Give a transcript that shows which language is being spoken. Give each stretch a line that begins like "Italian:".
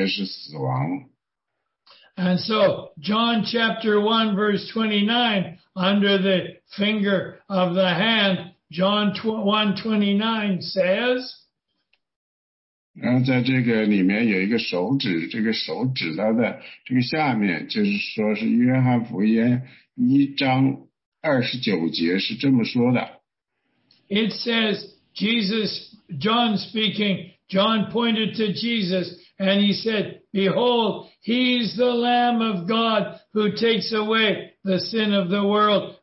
Chinese: 那个箴言里讲呢，有一条路呢，看着那里的路呢，看着像是对的，但是这条路的终端呢，却是死亡。
English: And so, John chapter 1, verse 29, under the finger of the hand, John 1, 29 says,
Chinese: 然后在这个里面有一个手指，这个手指的下面，就是说是约翰福音1:29是这么说的。
English: It says, Jesus, John speaking, John pointed to Jesus, and he said, Behold, he's the Lamb of God who takes away the sin of the world.